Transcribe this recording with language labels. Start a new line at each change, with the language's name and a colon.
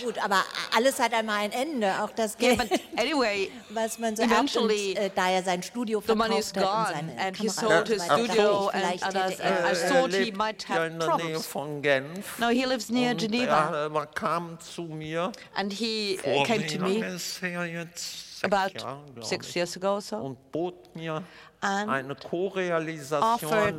German: Ja, gut, aber alles hat einmal ein Ende. Auch das Geld, was man so
English: eventually,
German: und, da er sein Studio verkauft hat,
English: the money is gone,
German: und seine
English: and he sold his studio and others. I thought he might have problems.
German: Von Genf.
English: No, he lives near
German: und
English: Geneva.
German: Er kam zu mir
English: and he came to me about 6 years ago or so
German: und bot mir and eine Co-realisation.